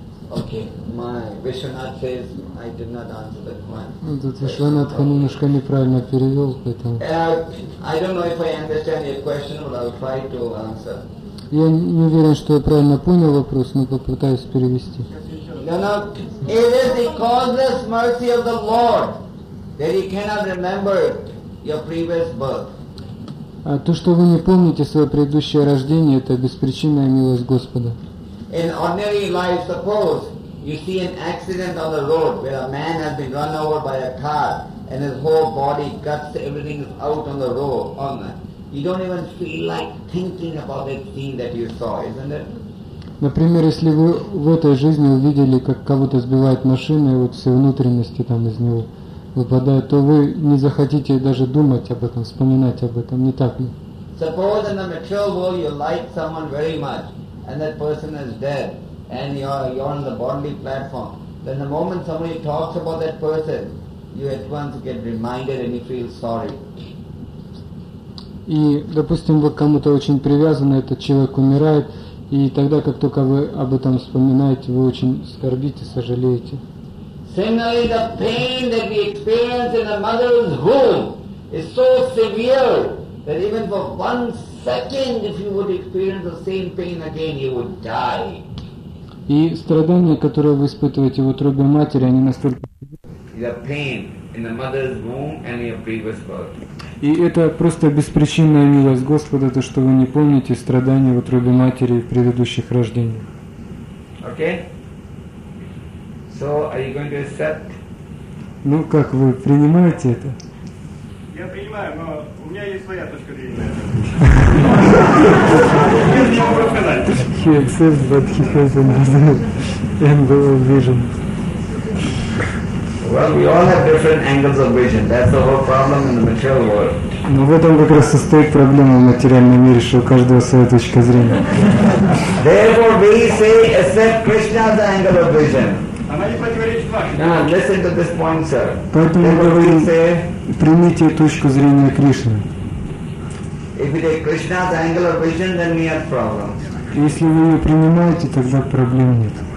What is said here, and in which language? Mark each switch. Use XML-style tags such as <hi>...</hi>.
<en>Okay, my Vishwanath says I did not answer the question.</en> <ru>Тут Вишванатха неправильно перевел, поэтому.</ru> <en>I don't know if I understand your question, but I'll try to answer.</en> <ru>Я не уверен, что я правильно понял вопрос, но попытаюсь перевести.</ru> <en>It is the causeless mercy of the Lord that He cannot remember your previous birth.</en> <ru>А то, что вы не помните свое предыдущее рождение, это беспричинная милость Господа.</ru> <en>In ordinary life, suppose you see an accident on the road where a man has been run over by a car and his whole body, guts, everything is out on the road. You don't even feel like thinking about that scene that you saw, isn't it?</en> <ru>Например, если вы в этой жизни увидели, как кого-то сбивает машина, и вот все внутренности там из него выпадают, то вы не захотите даже думать об этом, вспоминать об этом, не так ли?</ru> <en>Suppose in the material world you like someone very much, and that person is dead, and you're on the bodily platform, then the moment somebody talks about that person, you at once get reminded and you feel sorry.</en> <ru>И, допустим, вы к кому-то очень привязаны, этот человек умирает, и тогда, как только вы об этом вспоминаете, вы очень скорбите, сожалеете.</ru> <en>Similarly, the pain that we experience in the mother's womb is so severe that even for one second, if you would experience the same pain again, you would die.</en> <ru>И страдания, которые вы испытываете в утробе матери, они настолько.</ru> <en>The pain in the mother's womb and your previous birth.</en> <ru>И это просто беспричинная милость Господа, то, что вы не помните страдания в утробе матери в предыдущих рождениях.</ru> <en>Okay. So, are you going to accept?</en> <ru>Ну, как вы принимаете это? Я принимаю, но у меня есть своя точка зрения. Я не могу рассказать.</ru> <en>He accepts, but he has angle of vision. Well, we all have different angles of vision. That's the whole problem in the material world.</en> <ru>Но в этом как раз состоит проблема в материальном мире, что у каждого своя точка зрения.</ru> <en>Therefore, we say accept Krishna's angle of vision. Listen to this point, sir.</en> <ru>Поэтому мы говорим, примите точку зрения Кришны.</ru> <en>If you take Krishna's angle of vision, then we have problems.</en> <ru>Если вы ее принимаете, тогда проблем нет.</ru>